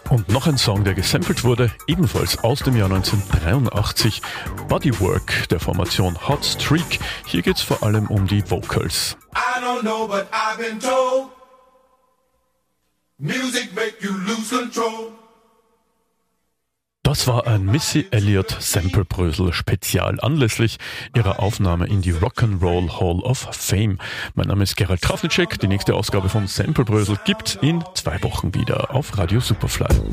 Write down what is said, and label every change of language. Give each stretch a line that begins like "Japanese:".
German: Noch ein Song, der gesampelt wurde, ebenfalls aus dem Jahr 1983, Bodywork der Formation Hot Streak. Hier geht's vor allem um die Vocals.
English: I don't know, but I've been told, music make you lose control.
German: Das war ein Missy Elliott Samplebrösel Spezial anlässlich ihrer Aufnahme in die Rock'n'Roll Hall of Fame. Mein Name ist Gerald Krafnitschek. Die nächste Ausgabe von Samplebrösel gibt's in 2 Wochen wieder auf Radio Superfly.